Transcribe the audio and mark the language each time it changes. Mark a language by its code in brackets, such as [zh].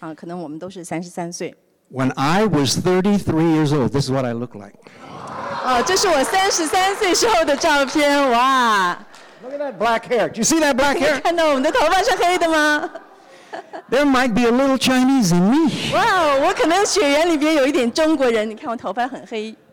[zh] 我33岁的时候，就是那个时候，耶稣在世上的时候，最后的年纪。那我希望到一天我到天堂的时候，可能我们都是33岁。 [en] When I was 33 years old, this is what I look like. [zh] 这是我33岁时候的照片，哇！ [en] Look at that black hair. Do you see that black hair? [zh] 看到我们的头发是黑的吗？ [en] There might be a little Chinese in me. [zh] 哇，我可能血缘里边有一点中国人。你看我头发很黑。